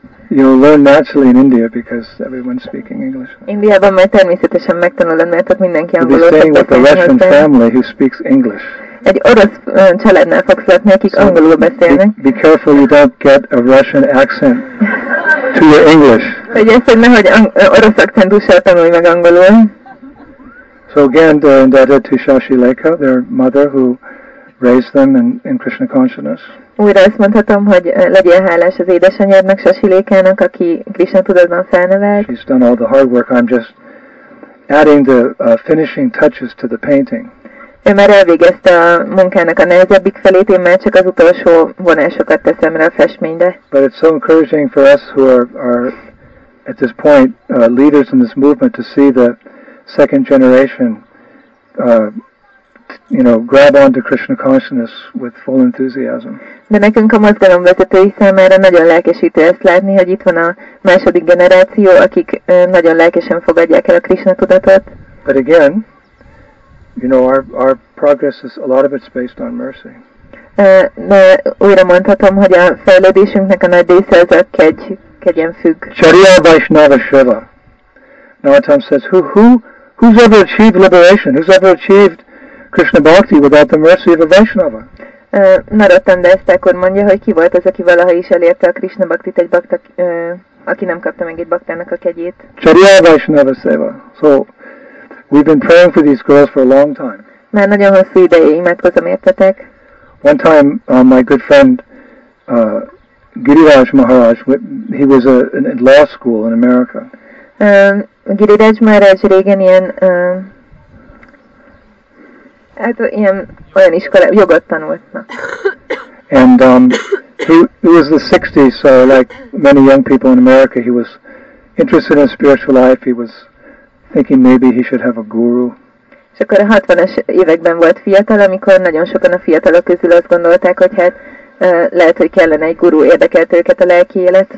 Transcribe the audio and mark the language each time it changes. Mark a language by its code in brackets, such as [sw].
[en] You'll learn naturally in India because everyone's speaking English. [hu] Indiában már természetesen megtanulod, mert ott mindenki angolul. [en] You'll be staying with a Russian family who speaks English. [hu] Egy orosz családnál fogsz lakni, akik angolul beszélnek. [en] Be careful you don't get a Russian accent to your English. [hu] Figyelj, hogy nehogy orosz akcentussal tanulj meg angolul. [en] So again, they're indebted to Shashi Lekha, their mother, who raised them in Krishna consciousness. [hu] Újra azt mondhatom, hogy legyél hálás az édesanyjának, Shashi Lekhának, aki Krishna tudatban felnevelt. [en] She's done all the hard work. I'm just adding the finishing touches to the painting. [hu] Ő már elvégezte a munkának a nehezebbik felét, én már csak az utolsó vonásokat teszem rá a festménybe. [en] But it's so encouraging for us who are at this point leaders in this movement to see the second generation grab on to Krishna consciousness with full enthusiasm. [hu] De nekünk a mozgalom vezetői számára nagyon lelkesítő ezt látni, hogy itt van a második generáció, akik nagyon lelkesen fogadják el a Krishna tudatot. [en] But again, our progress is a lot of it's based on mercy. [hu] De újra mondhatom, hogy a fejlődésünknek a nagy része az a kegyen függ. [en] Charya Vaishnava Shiva. Narottam says, who's ever achieved liberation? Who's ever achieved Krishna bhakti without the mercy of a Vaishnava? [hu] Narottam Das ekkor mondja, hogy ki volt az, aki valaha is elérte a Krishna bhaktit egy bhakta, aki nem kapta meg egy bhaktának a kegyét. Charya Vaishnava Seva. [en] So, we've been praying for these girls for a long time. [hu] Már nagyon hosszú ideje imádkozom értetek. [en] One time, my good friend, Giriraj Maharaj, he was in law school in America. [hu] Giriraj Maharaj régen ilyen hát ilyen olyan iskola, jogot tanultnak. [en] And he was the 60s, so like many young people in America, he was interested in spiritual life. He was thinking maybe he should have a guru. [hu] És akkor a 60-as években volt fiatal, amikor nagyon sokan a fiatalok közül azt gondolták, hogy hát lehet, hogy kellene egy guru, érdekelt őket a lelki élet.